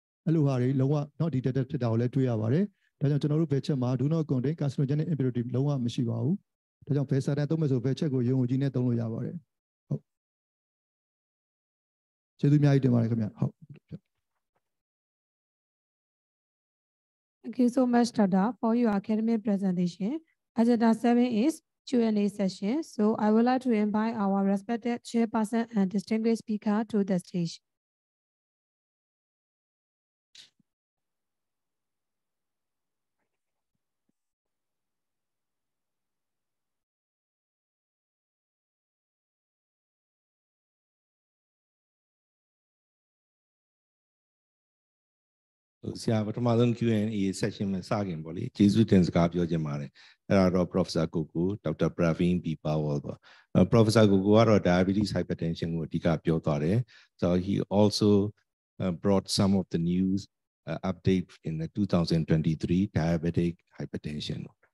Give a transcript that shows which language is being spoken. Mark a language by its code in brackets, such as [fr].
[my] အဲ့လိုဟာတွေလုံးဝတော့ဒီ data ဖြစ်တာကိုလည်းတွေ့ရပါတယ် ဒါကြောင့်ကျွန်တော်တို့ valchet မှာ [en] do not contain carcinogenic impurity [my] လုံးဝမရှိပါဘူး ဒါကြောင့် Valsartan သုံးမယ်ဆို valchet ကိုရုံကြီးနဲ့သုံးလို့ရပါတယ် ဟုတ် ကျေးဇူးအများကြီးတင်ပါတယ်ခင်ဗျ ဟုတ် [en] Thank you so much Dr. for your academic presentation Agenda 7 is Q&A session. So I would like to invite our respected chairperson and distinguished speaker to the stage. [my] ဆရာပထမဆုံး Q&A session မှာစခင်ပေါ့လေကျေးဇူးတင်စကားပြောခြင်းပါတယ် အဲ့ဒါတော့ Professor Ko Ko Dr. Praveen B.Pawal ပေါ့ Professor Ko Ko ကတော့ diabetes hypertension ကိုအဓိကပြောသွားတယ် [en] so he also brought some of the news update in the 2023 diabetic hypertension.